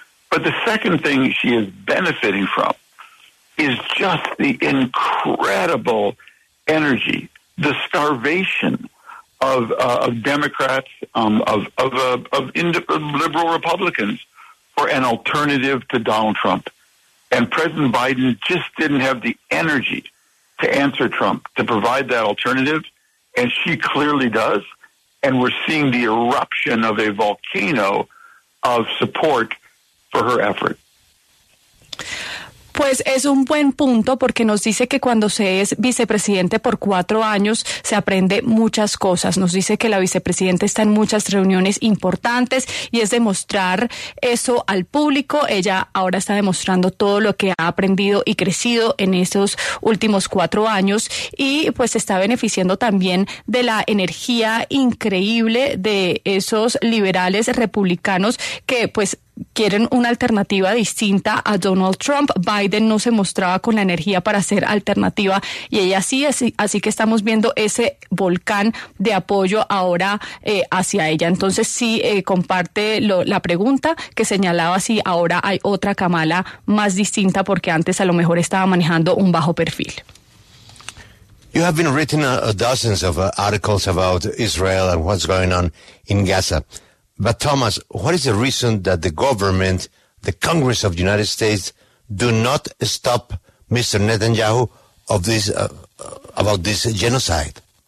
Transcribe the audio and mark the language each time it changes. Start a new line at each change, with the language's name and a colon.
English: But the second thing she is benefiting from is just the incredible energy, the starvation of Democrats, of liberal Republicans for an alternative to Donald Trump. And President Biden just didn't have the energy to answer Trump, to provide that alternative, and she clearly does. And we're seeing the eruption of a volcano of support for her effort.
Spanish: Pues es un buen punto, porque nos dice que cuando se es vicepresidente por 4 años se aprende muchas cosas. Nos dice que la vicepresidenta está en muchas reuniones importantes y es demostrar eso al público. Ella ahora está demostrando todo lo que ha aprendido y crecido en esos últimos 4 años, y pues está beneficiando también de la energía increíble de esos liberales republicanos que pues quieren una alternativa distinta a Donald Trump. Biden no se mostraba con la energía para ser alternativa, y ella sí, así que estamos viendo ese volcán de apoyo ahora hacia ella. Entonces sí, comparte la pregunta que señalaba, si ahora hay otra Kamala más distinta, porque antes a lo mejor estaba manejando un bajo perfil.
English: You have been written dozens of articles about Israel and what's going on in Gaza. But Thomas, what is the reason that the government, the Congress of the United States, do not stop Mr. Netanyahu of this about this genocide?